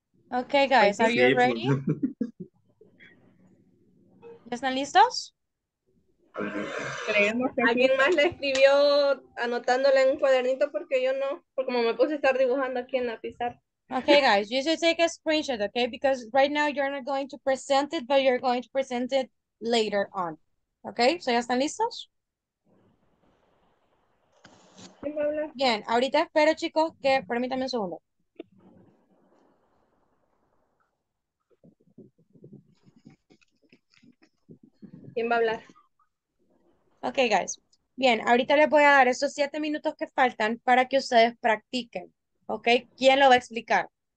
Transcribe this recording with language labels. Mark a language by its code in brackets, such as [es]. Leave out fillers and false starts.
[en] Okay, guys, are you ready? [es] ¿Están listos? ¿Alguien más le escribió anotándole en un cuadernito? Porque yo no, porque como me puse a estar dibujando aquí en la pizarra. [en] Okay, guys, you should take a screenshot, okay? Because right now you're not going to present it, but you're going to present it later on. Okay, so [es] ¿ya están listos? Bien, ahorita espero, chicos, que permítanme un segundo. ¿Quién va a hablar? [en] Ok, guys. [es] Bien, ahorita les voy a dar esos 7 minutos que faltan para que ustedes practiquen. ¿Ok? ¿Quién lo va a explicar?